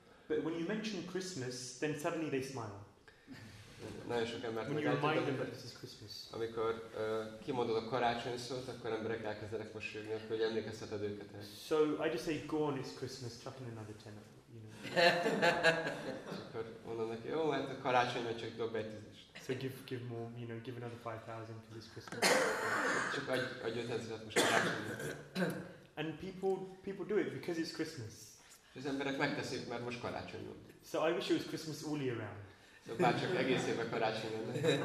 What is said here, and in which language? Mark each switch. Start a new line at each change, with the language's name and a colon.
English: But when you mention Christmas, then suddenly they smile.
Hungarian: Nagyon sok embert megálltad, amikor kimondod a karácsony szót, akkor emberek elkezdenek mosolyogni, akkor hogy emlékezheted őket el.
English: So I just say, go on, it's Christmas, chuck in another tenner, you know.
Hungarian: És akkor mondom neki, jó, hát a karácsony, mert csak dobj egy tízest.
English: So give more, you know, give another 5,000 for this Christmas.
Hungarian: Csak adj 5,000-et most karácsonyra.
English: And people do it because it's Christmas.
Hungarian: És az emberek megteszik, mert most karácsony van.
English: So I wish it was Christmas all year round.
Hungarian: So bárcsak egész évben karácsony van.